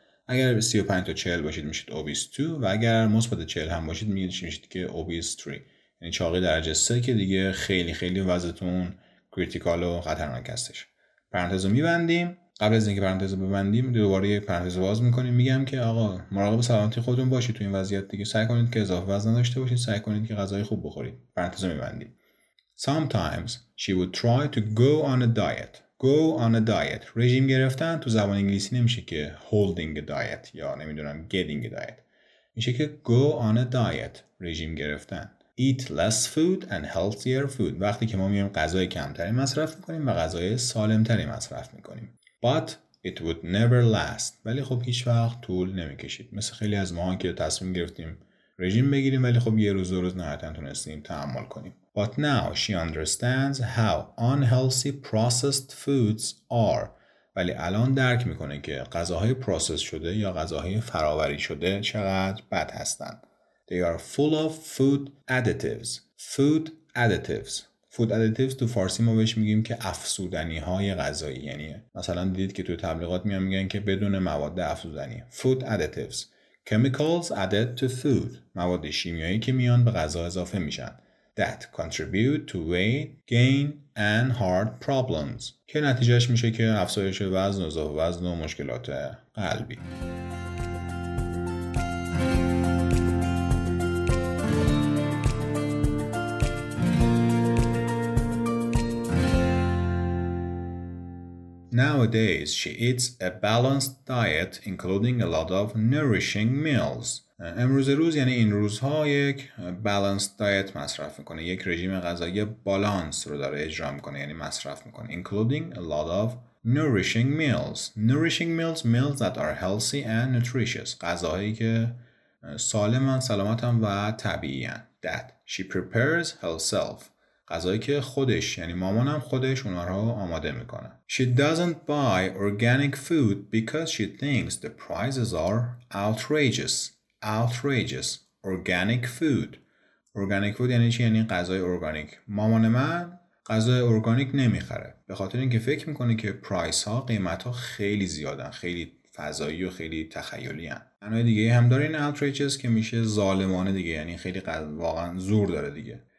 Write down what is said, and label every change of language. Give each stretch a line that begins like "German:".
Persian: اگر 35 تا 40 باشید میشید obese 2 و اگر مثبت 40 هم باشید میشید که obese 3، یعنی چاقی درجه 3 که دیگه خیلی خیلی وزنتون کریتیکال و خطرناک هستش. پرانتز رو می‌بندیم. قبل از اینکه پرانتز ببندیم دوباره یه پرانتز باز میکنیم، میگم که آقا مراقب سلامتی خودتون باشید تو این وضعیت دیگه، سعی کنید که اضافه وزن نداشته باشید، سعی کنید که غذای خوب بخورید. پرانتز میبندیم.
English: Sometimes she would try to go on a diet. Go on a diet.
Persian: رژیم گرفتن تو زبان انگلیسی نمیشه که
English: holding a diet
Persian: یا نمیدونم
English: getting a diet.
Persian: میشه که
English: go on a diet.
Persian: رژیم گرفتن.
English: Eat less food and healthier food.
Persian: وقتی که ما میایم غذای کمتری مصرف میکنیم و غذای سالمتری مصرف میکنیم.
English: But it would never last.
Persian: ولی خب هیچ وقت طول نمیکشید. مثل خیلی از ما که تصمیم گرفتیم رژیم بگیریم ولی خب یه روز دو روز نهایتاً تونستیم تحمل کنیم.
English: But now she understands how unhealthy processed foods are.
Persian: ولی الان درک میکنه که غذاهای پروسس شده یا غذاهای فرآوری شده چقدر بد هستن.
English: They are full of food additives. Food additives.
Persian: Food additives تو فارسی ما بهش میگیم که افزودنی های غذایی. یعنی مثلا دیدید که تو تبلیغات میان میگن که بدون مواد افزودنی.
English: Food additives. Chemicals added to food.
Persian: مواد شیمیایی که میان به غذا اضافه میشن.
English: That contribute to weight gain and heart problems.
Persian: که نتیجهش میشه که افزایش وزن و اضافه وزن و مشکلات قلبی.
English: Nowadays, she eats a balanced diet, including a lot of nourishing meals.
Persian: امروز روز یعنی این روزها یک balanced diet مصرف میکنه. یک رژیم غذایی بالانس رو داره اجرا میکنه، یعنی مصرف میکنه. Including a lot of nourishing meals.
English: Nourishing meals, meals that are healthy and nutritious.
Persian: غذاهایی که سالمن، سلامتن و طبیعین.
English: That she prepares herself.
Persian: غذایی که خودش یعنی مامانم خودش اونا رو آماده میکنه.
English: She doesn't buy organic food because she thinks the prices are outrageous. Outrageous. Organic food.
Persian: Organic food یعنی چی؟ یعنی غذای ارگانیک. مامان من غذای ارگانیک نمیخره به خاطر اینکه فکر میکنه که پرایس ها قیمت ها خیلی زیادن، خیلی فضایی و خیلی تخیلی هن. معنای دیگه هم داره این outrageous که میشه ظالمانه دیگه، یعنی خیلی واقعا زور داره دیگه.